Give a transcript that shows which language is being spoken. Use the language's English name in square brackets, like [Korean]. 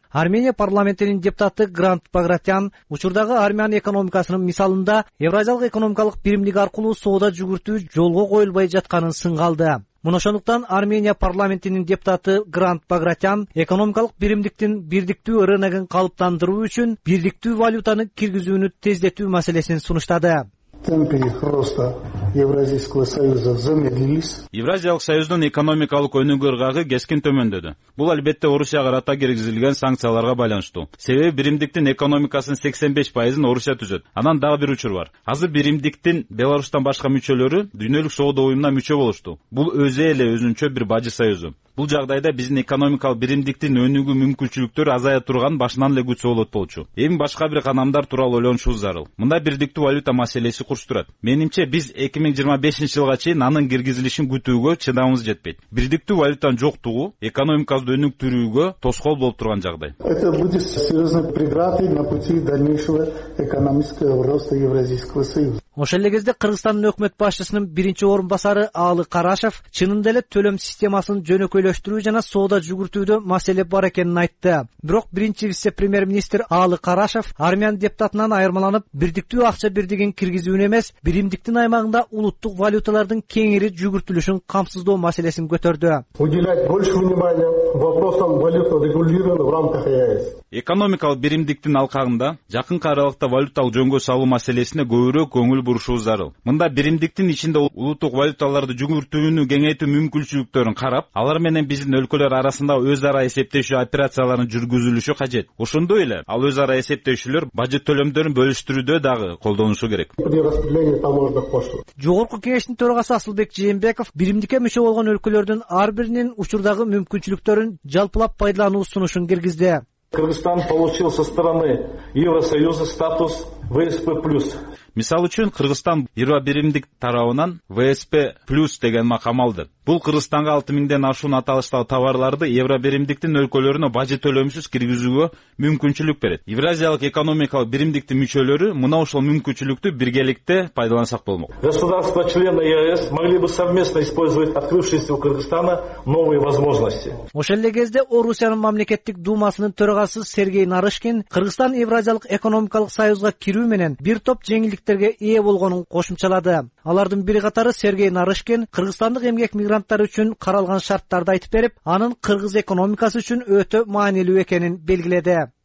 [Kyrgyz] Армения парламентинин депутаты Грант Багратян учурдагы армян экономикасынын мисалында евразиялык экономикалык биримдик аркылуу соода жүгүртүү жолго коюлбай жатканын сынга алды. Мына ошондуктан Армения парламентинин депутаты Грант Багратян экономикалык биримдиктин бирдиктүү рыногун калыптандыруу үчүн бирдиктүү валютаны киргизүүнү тездетүү маселесин сунуштады. [Russian] Темпы роста Евразийского союза замедлились. [Kyrgyz] Евразиялык союздун экономикалык өнүгүү ыргагы кескин төмөндөдү. Бул албетте Орусияга карата киргизилген санкцияларга байланыштуу. Себеби биримдиктин экономикасынын 85% Орусия түзөт. Анан дагы бир учур бар. Азыр биримдиктин Беларусьтан башка мүчөлөрү дүйнөлүк соода уюмуна мүчө болушту. Бул өзү эле өзүнчө бир бажы союзу. Бул жагдайда биздин экономикалык биримдиктин өнүгүү мүмкүнчүлүктөрү азая турган башынан эле күч болот болчу. Эми башка бир канамдар тууралуу ойлонушубуз зарыл. Мындай бирдиктүү валюта маселеси курчтурат. Менимче биз 2025 жылга чейин анын киргизилишин күтүүгө чыдамыбыз жетпейт. Бирдиктүү валютанын жоктугу экономикабызды өнүктүрүүгө тоскоол болуп турган жагдай. [Russian] Это будет серьезной преградой на пути дальнейшего экономического роста Евразийского союза. [Kyrgyz] Ошол эле кезде Кыргызстандын өкмөт башчысынын биринчи орун басары Аалы Карашев чынында эле төлөм системасын жөнөкөйлөштүрүү жана соода жүгүртүүдө маселе бар экенин айтты. Бирок биринчи вице премьер министр Аалы Карашев армян депутатынан айырмаланып бирдиктүү акча бирдигин киргизүүнү эмес биримдиктин аймагында улуттук валюталардын кеңири жүгүртүлүшүн камсыздоо маселесин көтөрдү. [Russian] Уделять больше внимания вопросам валюта регулирования в рамках ЕАЭС. [Kyrgyz] Экономикалык биримдиктин алкагында жакынкы аралыкта валюталык жөнгө салуу маселесине көбүрөөк көңүл бурушубуз зарыл. Мында биримдиктин ичинде улуттук валюталарды жүгүртүүнү кеңейтүү мүмкүнчүлүктөрүн карап, алар менен биздин өлкөлөр арасында өз ара эсептешүү операцияларынын жүргүзүлүшү кажет. Ошондой эле ал өз ара эсептешүүлөр бажы төлөмдөрүн бөлүштүрүүдө дагы колдонушу керек. Жогорку кеңештин төрагасы Асылбек Жээнбеков биримдикке мүчө болгон өлкөлөрдүн ар биринин учурдагы мүмкүнчүлүктөрүн жалпылап пайдалануу сунушун киргизди. [Russian] Кыргызстан получил со стороны Евросоюза статус ВСП плюс. [Kyrgyz] Мисал үчүн Кыргызстан 21-миңдик тарабынан ВСП плюс деген макам алды. Бул Кыргызстанга 6000ден ашуун аталыштагы товарларды Евробиримдиктин өлкөлөрүнө бажет төлөмсүз киргизүүгө мүмкүнчүлүк берет. Евразиялык экономикалык биримдиктин мүчөлөрү мына ушул мүмкүнчүлүктү биргеликте пайдалансак болмок. [Russian] Государства члены ЕС могли бы совместно использовать открывшиеся у Кыргызстана новые возможности. [Kyrgyz] Ошол эле кезде Орусиянын мамлекеттик думасынын төрагасы Сергей Нарышкин Кыргызстан Евразиялык экономикалык союзга кирүү менен бир топ жеңилдиктерге ээ болгонун кошумчалады. Алардын бири катары Сергей Нарышкин кыргызстандык эмгек мигранттар үчүн каралган шарттарды айтып берип, анын кыргыз экономикасы үчүн өтө маанилүү экенин белгиледи.